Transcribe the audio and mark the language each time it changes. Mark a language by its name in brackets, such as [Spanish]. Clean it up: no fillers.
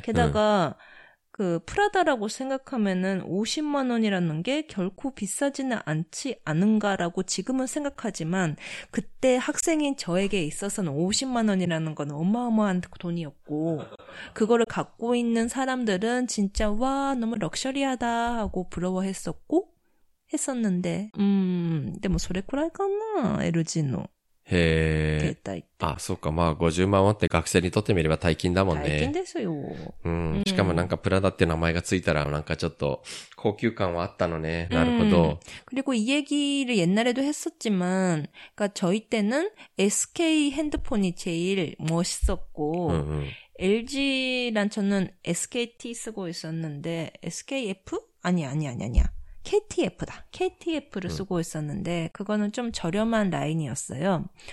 [Korean] 게다가 그 프라다라고 생각하면은 50만원이라는 게 결코 비싸지는 않지 않은가라고 지금은 생각하지만, 그때 학생인 저에게 있어서는 50만원이라는 건 어마어마한 돈이었고, 그거를 갖고 있는 사람들은 진짜 와 너무 럭셔리하다 하고 부러워했었고 했었는데, 근데 뭐 [Japanese] 소래쿠라이가나 [Korean] LG노 [Japanese] へえ。あ、そうか。まあ、50万ウォンって学生にとってみれば大金だもんね。大金ですよ。しかもなんかプラダって名前がついたら、なんかちょっと高級感はあったのね。なるほど。 [Korean] 그리고이얘기를옛날에도했었지만、저희때는 SK 핸드폰이제일멋있었고、LG 란저는 SKT 쓰고있었는데、SKF? 아니야。 KTF 다 KTF를 쓰고 있었는데 그거는 좀 저렴한 라인이었어요.